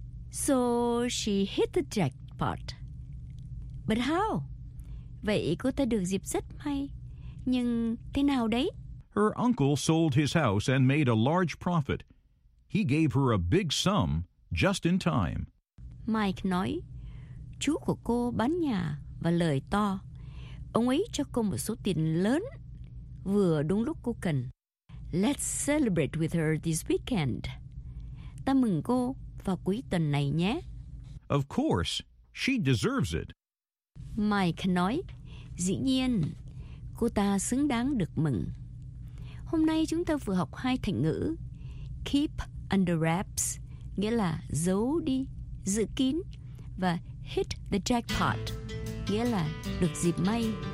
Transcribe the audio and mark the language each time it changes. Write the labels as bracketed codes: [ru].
[en] So she hit the jackpot. But how? [vi] Vậy cô ta được dịp rất may. Nhưng thế nào đấy? [en] Her uncle sold his house and made a large profit. He gave her a big sum just in time. [vi] Mike nói, chú của cô bán nhà và lời to. Ông ấy cho cô một số tiền lớn, vừa đúng lúc cô cần. [en] Let's celebrate with her this weekend. [vi] Ta mừng cô vào cuối tuần này nhé. [en] Of course, she deserves it. [vi] Mike nói, dĩ nhiên, cô ta xứng đáng được mừng. Hôm nay chúng ta vừa học hai thành ngữ. [en] Keep under wraps, [vi] nghĩa là giấu đi, giữ kín, và [en] hit the jackpot, [vi] nghĩa là được dịp may.